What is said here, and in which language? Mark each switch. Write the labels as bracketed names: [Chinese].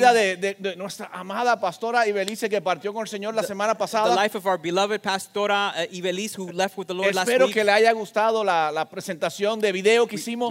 [Spanish] La vida de nuestra amada pastora Ibelice que partió con el Señor la semana pasada. [English] The life of our beloved pastora Ibelice who left with the Lord [Spanish] Espero [English] last week. [Spanish] Espero que le haya gustado la presentación de video que hicimos.